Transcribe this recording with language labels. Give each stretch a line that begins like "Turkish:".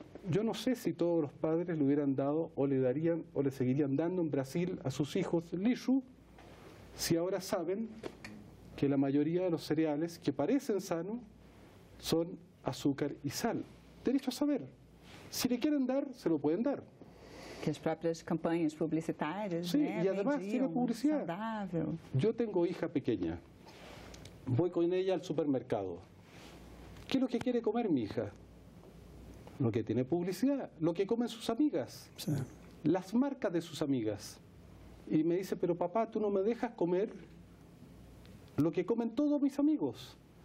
Spanish: Yo no sé si todos los padres le hubieran dado o le darían o le seguirían dando en Brasil a sus hijos lixo si ahora saben que la mayoría de los cereales que parecen sanos son azúcar y sal. Derecho a saber. Si le quieren dar, se lo pueden dar.
Portuguese: Que as próprias campanhas publicitárias, sí, né,
Spanish: y además tiene publicidad.
Portuguese: Saudável.
Spanish: Yo tengo hija pequeña. Voy con ella al supermercado. ¿Qué es lo que quiere comer mi hija? Lo que tiene publicidad. Lo que comen sus amigas. Sí. Las marcas de sus amigas. Y me dice, pero papá, tú no me dejas comer lo que comen todos mis amigos.